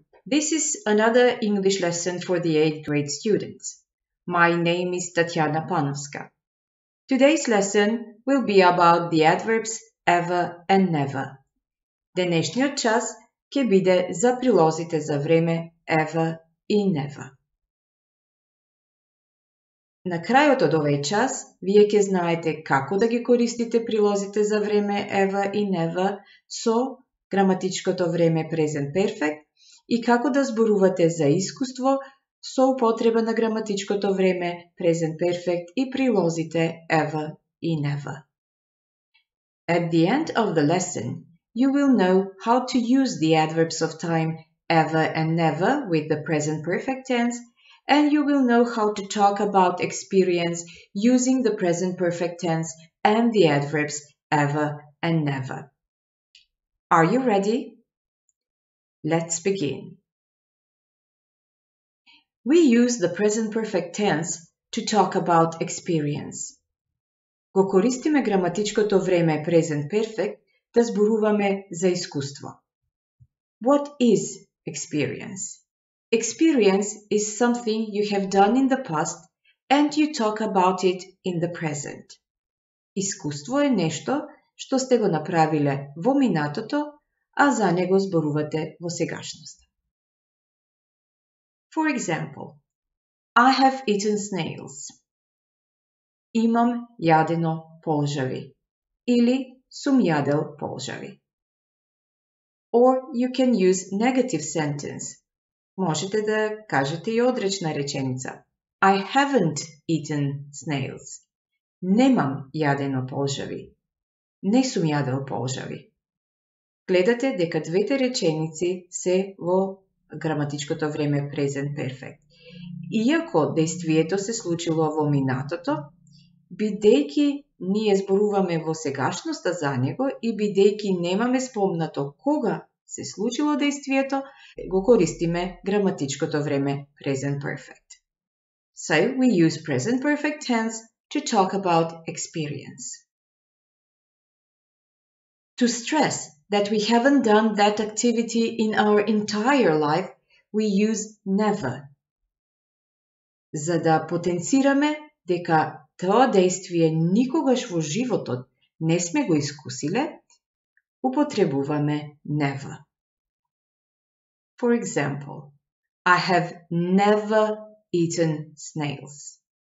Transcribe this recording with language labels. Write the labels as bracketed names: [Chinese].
[English] This is another English lesson for the 8th grade students. My name is Tatiana Panovska. Today's lesson will be about the adverbs ever and never. [Macedonian] Денешниот час ќе биде за прилозите за време ever и never. На крајот од овој час, вие ќе знаете како да ги користите прилозите за време ever и never со граматичкото време present perfect и како да зборувате за искуство со употреба на граматичкото време present perfect и прилозите ever и never. [English] At the end of the lesson, you will know how to use the adverbs of time ever and never with the present perfect tense, and you will know how to talk about experience using the present perfect tense and the adverbs ever and never. Are you ready? Let's begin. We use the present perfect tense to talk about experience. [Macedonian] Го користиме граматичкото време present perfect да зборуваме за искуство. [English] What is experience? Experience is something you have done in the past and you talk about it in the present. [Macedonian] Искуство е нешто што сте го направиле во минатото, а за него зборувате во сегашност. [English] For example, I have eaten snails. [Macedonian] Имам јадено полжави. Или сум јадел полжави. [English] Or you can use negative sentence. [Macedonian] Можете да кажете и одречна реченица. [English] I haven't eaten snails. [Macedonian] Немам јадено полжави. Не сум јадел полжави. Гледате дека двете реченици се во граматичкото време present perfect. Иако действието се случило во минатото, бидејќи ние зборуваме во сегашноста за него и бидејќи немаме спомнато кога се случило действието, го користиме граматичкото време present perfect. [English] So we use present perfect tense to talk about experience. To stress that we haven't done that activity in our entire life, we use never. [Macedonian] За да потенцираме дека тоа действие никогаш во животот не сме го искусиле, употребуваме never. [English] For example, I have never eaten snails.